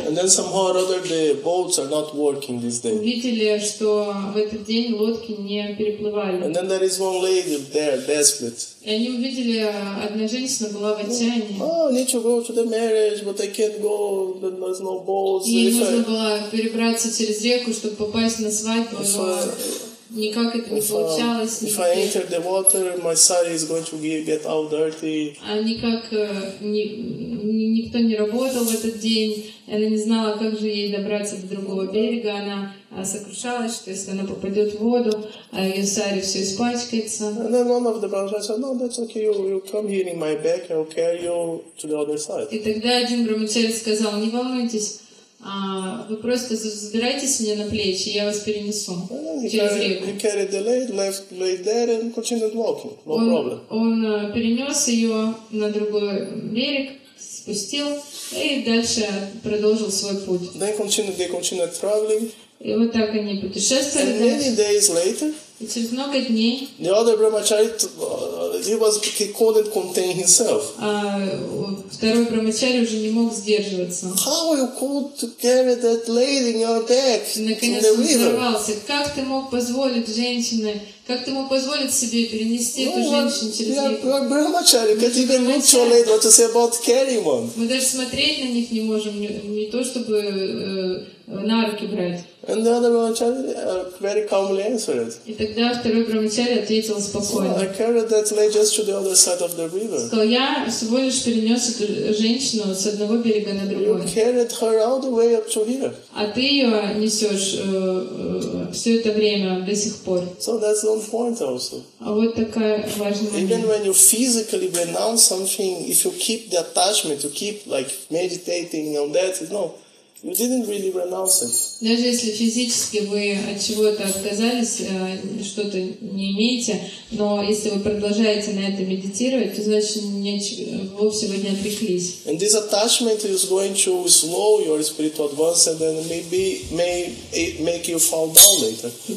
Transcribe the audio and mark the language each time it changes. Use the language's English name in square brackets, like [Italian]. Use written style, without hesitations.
[English] and then somehow or other the boats are not working this day. [Russian] Увидели, что в этот день лодки не переплывали. [English] And then there is one lady there, desperate. [Russian] И они увидели, одна женщина была в отчаянии. [English] Oh, I need to go to the marriage, but I can't go. There's no boats. [Russian] Ей нужно было перебраться через реку, чтобы попасть на свадьбу. Никак это не получалось. [English] If I enter the water, my sari is going to get all dirty. [Russian] А никак никто не работал в этот день. Она не знала, как же ей добраться до другого берега. Она сокрушалась, что если она попадет в воду, ее сари все испачкается. [English] And then one of the brahmacharis said, "No, that's okay. You come here in my back. I'll carry you to the other side." [Russian] И тогда один брахмачари сказал: "Не волнуйтесь. Вы просто забирайтесь у меня на плечи, я вас перенесу через реку." Он перенес ее на другой берег, спустил и дальше продолжил свой путь. [English] They continued traveling. [Russian] И вот так они путешествовали. [English] And many days later, [Russian] и через много дней, [English] the other brahmachari, he couldn't contain himself. [Russian] Второй брамачари уже не мог сдерживаться. [English] How you could carry that lady in your back? [Russian] Наконец он взорвался. Как ты мог позволить женщине? Как ты мог позволить себе перенести эту женщину через реку? [English] Yeah, brahmachari, can't even look to a lady. What to say about carrying one? [Russian] Мы даже смотреть на них не можем, не то чтобы на руки брать. [English] And the other brahmachari very calmly answered. [Russian] И тогда второй брамачари ответил спокойно. [English] So I carried that lady just to the other side of the river. [Russian] Сказал, я всего лишь перенес эту женщину с одного берега на другой. [English] You carried her all the way up to here. [Russian] А ты ее несешь все это время до сих пор. [English] So that's one point also. [Russian] А вот такая важная вещь. [English] Even when you physically renounce something, if you keep the attachment, you keep like meditating on that, no. You didn't really renounce it. [Russian] Даже если физически вы от чего-то отказались, что-то не имеете, но если вы продолжаете на это медитировать, то значит вовсе вы не отреклись. [English] And this attachment is going to slow your spiritual advance and then maybe may make you fall down later.